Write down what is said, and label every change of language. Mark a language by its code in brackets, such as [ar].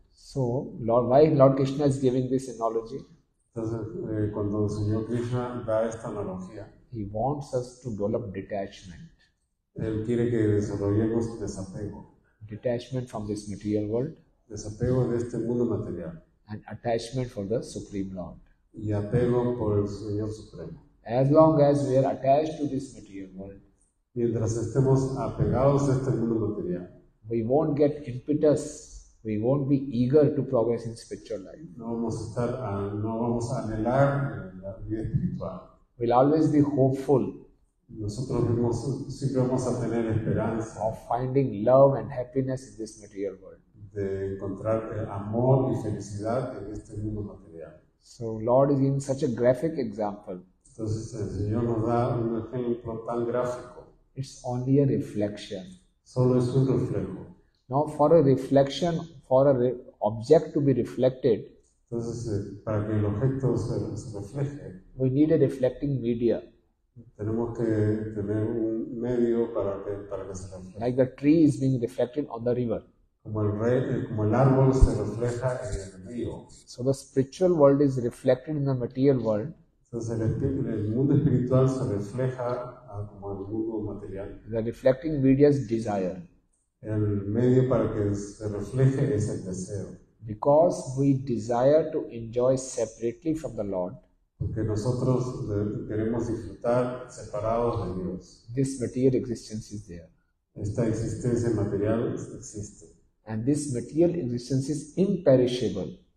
[en] So, Lord, why Lord Krishna is giving this analogy? [es] Entonces, cuando el Señor Krishna da esta analogía, [en] he wants us to develop detachment. [es] Él quiere que desarrollemos desapego. [en] Detachment from this material world. [es] Desapego de este mundo material. [en] And attachment for the Supreme Lord. [es] Y apego por el Señor Supremo. [en] As long as we are attached to this material world, [es] mientras estemos apegados a este mundo material, [en] we won't get impetus. We won't be eager to progress in spiritual life. [es] No vamos a anhelar la vida espiritual. [en] We'll always be hopeful. [es] Nosotros vamos, siempre vamos a tener esperanza [en] of finding love and happiness in this material world. [es] De encontrar amor y felicidad en este mundo material. [en] So Lord is giving such a graphic example. [es] Entonces el Señor nos da un ejemplo tan gráfico. [en] It's only a reflection. [es] Solo es un reflejo. [en] Now for a reflection, for a object to be reflected. [es] Entonces para que el objeto se refleje. [en] We need a reflecting media. [es] Tenemos que tener un medio para que se refleje. [en] Like the tree is being reflected on the river. [es] Como el árbol se refleja en el río. [en] So the spiritual world is reflected in the material world. [es] Entonces el mundo espiritual se refleja como el mundo material. [en] The reflecting media's desire. [es] El medio para que se refleje es el deseo. [en] Because we desire to enjoy separately from the Lord. [es] Porque nosotros queremos disfrutar separados de Dios. [en] This material existence is there. [es] Esta existencia material existe. [en] And this material existence is imperishable.